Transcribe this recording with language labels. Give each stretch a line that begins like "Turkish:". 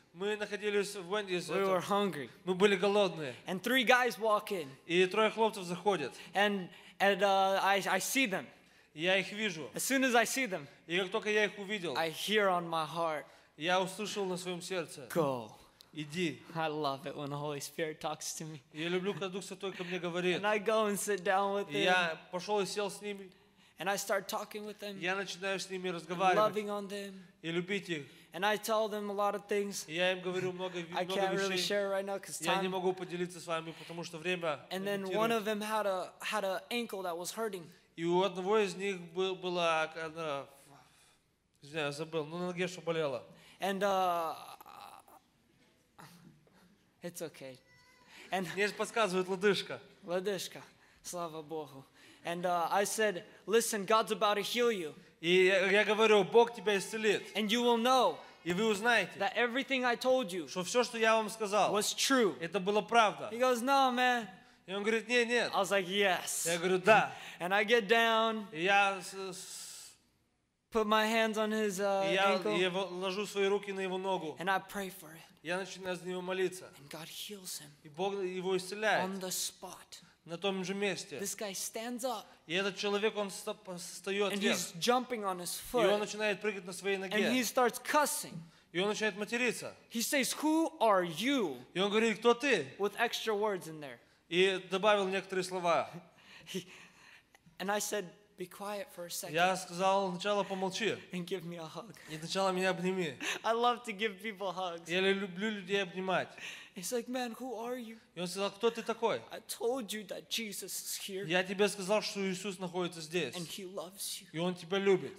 Russian: Мы находились в Wendy's.
English: We were hungry.
Russian: Мы были голодные.
English: And three guys walk in.
Russian: И трое хлопцев заходят.
English: And I see them.
Russian: Я их вижу.
English: As soon as I see them.
Russian: И как только я их увидел.
English: I hear on my heart.
Russian: Я услышал на своем сердце.
English: Go.
Russian: Иди.
English: I love it when the Holy Spirit talks to me.
Russian: Я люблю, когда Дух Святой ко мне говорит.
English: And I go and sit down with them.
Russian: Я пошел и сел с ними.
English: And I start talking with them.
Russian: Я начинаю с ними разговаривать.
English: And loving on them.
Russian: И любить их.
English: And I tell them a lot of things.
Russian: Я им говорю много вещей.
English: I can't really share right now because time.
Russian: Я не могу поделиться с вами, потому что время.
English: And then one of them had an ankle that was hurting.
Russian: И у одного из них была, извиняюсь, забыл, но на ноге что болело.
English: And it's okay.
Russian: And мне подсказывает лодыжка. Лодыжка, слава Богу.
English: And I said, listen, God's about to heal you.
Russian: И я говорю, Бог тебя исцелит.
English: And you will know.
Russian: И вы узнаете,
English: that everything I told you,
Russian: что все, что я вам сказал,
English: was true.
Russian: Это была правда.
English: He goes, no, man.
Russian: И он говорит, нет, нет.
English: I was like, yes.
Russian: Я говорю, да.
English: And I get down.
Russian: И я
English: put my hands on his ankle.
Russian: Я ложу свои руки на его ногу.
English: And I pray for it.
Russian: Я начинаю за него молиться.
English: And God heals him.
Russian: И Бог его исцеляет.
English: On the spot.
Russian: На том же месте.
English: This guy stands up.
Russian: И этот человек, он встает вверх.
English: And he's jumping on his foot.
Russian: И он начинает прыгать на своей ноге.
English: And he starts cussing.
Russian: И он начинает материться.
English: He says, who are you?
Russian: И он говорит, кто ты?
English: With extra words in there.
Russian: И добавил некоторые слова.
English: And I said, be quiet for a second.
Russian: Я сказал сначала помолчи.
English: And give me a hug.
Russian: И сначала меня обними.
English: I love to give people hugs.
Russian: Я люблю людей обнимать.
English: He's like, man, who are you?
Russian: И он сказал, кто ты такой?
English: I told you that Jesus is here.
Russian: Я тебе сказал, что Иисус находится здесь.
English: And he loves you.
Russian: И он тебя любит.